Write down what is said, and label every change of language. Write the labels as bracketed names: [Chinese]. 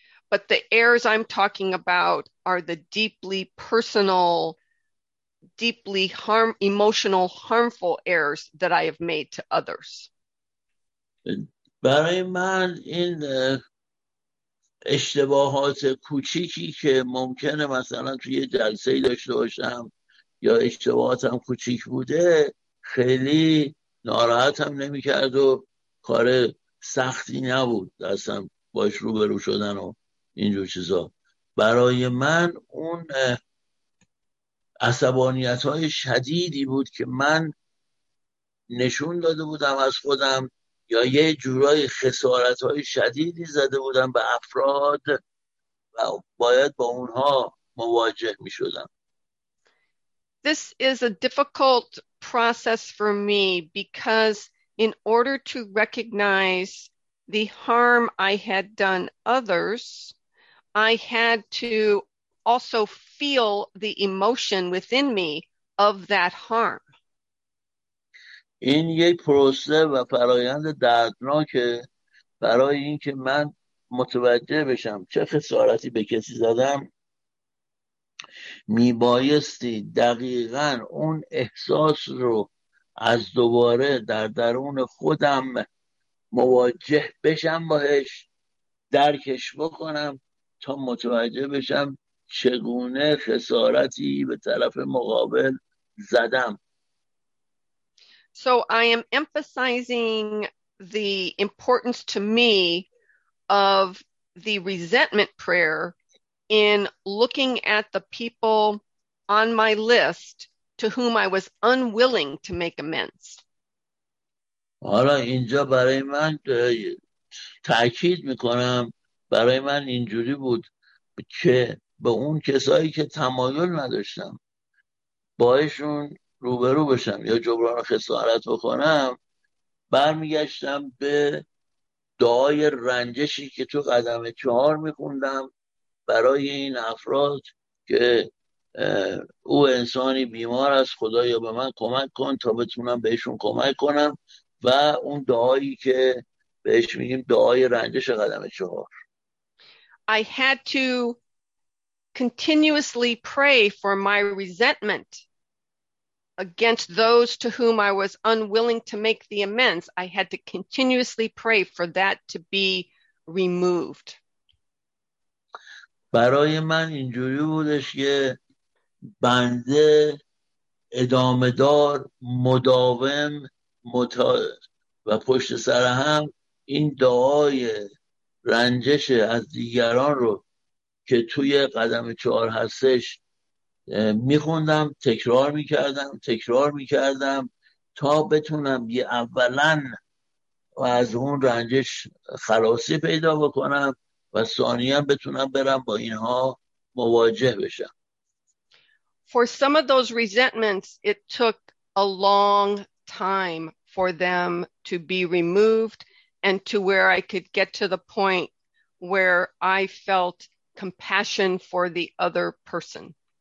[English] But the errors I'm talking about are the deeply personal, deeply emotional, harmful errors that I have made to others. [Persian] برای من این اشتباهات کوچیکی که ممکنه مثلا توی جلسه داشته باشم یا اشتباهاتم کوچیک بوده خیلی ناراحتم نمی کرد و کار سختی نبود اصلا باش روبرو شدن و اینجور چیزا. برای من اون عصبانیت های شدیدی بود که من نشون داده بودم از خودم یا یه جورای خسارت های شدیدی زده بودم به افراد و باید با اونها مواجه می شدم. [English] This is a difficult process for me because in order to recognize the harm I had done others, I had to also feel the emotion within me of that harm. [Persian] این یک پروسه و فرایند دردناکه برای اینکه من متوجه بشم چه خسارتی به کسی زدم. میبایستی دقیقا اون احساس رو از دوباره در درون خودم مواجه بشم باهش، درکش بکنم تا متوجه بشم چگونه خسارتی به طرف مقابل زدم. [English] So I am emphasizing the importance to me of the resentment prayer in looking at the people on my list to whom I was unwilling to make amends. [Persian] حالا اینجا برای من تأکید میکنم، برای من اینجوری بود که به اون کسایی که تمایل نداشتم باهشون روبرو بشم یا جبران خسارت بکنم، برمیگشتم به دعای رنجشی که تو قدم چهار میخوندم برای این افراد که او انسانی بیمار است، خدایا به من کمک کن تا بتونم بهشون کمک کنم، و اون دعایی که بهش میگیم دعای رنجش قدم چهار. [English] I had to continuously pray for my resentment against those to whom I was unwilling to make the amends. I had to continuously pray for that to be removed. [Persian] برای من اینجوری بودش که بنده ادامه دار، مداوم، و پشت سر هم این دعای رنجش از دیگران رو که توی قدم چهار هستش میخوندم، تکرار میکردم تا بتونم یه اولا و از اون رنجش خلاصی پیدا بکنم و ثانیا بتونم برم با اینها مواجه بشم. [English] For some of those resentments it took a long time for them to be removed and to where I could get to the point where I felt compassion for the other person.